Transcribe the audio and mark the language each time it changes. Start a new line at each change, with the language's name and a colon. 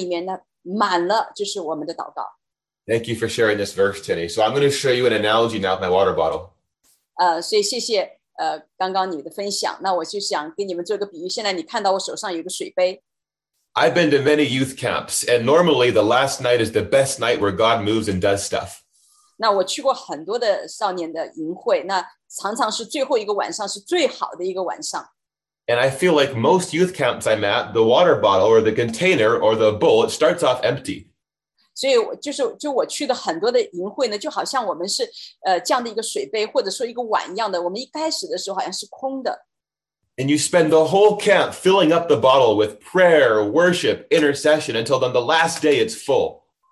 Chinese: 所以我就想你们在脑子里面来想象，就在天上这样的一个就是碗里面呢满了就是我们的祷告。
English: Thank you for sharing this verse, Tinny. So I'm going to show you an analogy now with my water bottle.
Chinese: 所以谢谢刚刚你的分享。那我就想给你们做个比喻。现在你看到我手上有个水杯。
English: I've been to many youth camps, and normally the last night is the best night where God moves and does stuff.
Chinese: 那我去过很多的少年的营会，那常常是最后一个晚上是最好的一个晚上。
English: And I feel like most youth camps I'm at, the water bottle or the container or the bowl, it starts off empty.
Chinese: 所以就是我去的很多的营会呢，就好像我们是这样的一个水杯或者说一个碗一样的，我们一开始的时候好像是空的。
English: And you spend the whole camp filling up the bottle with prayer, worship, intercession, until then the last day it's full.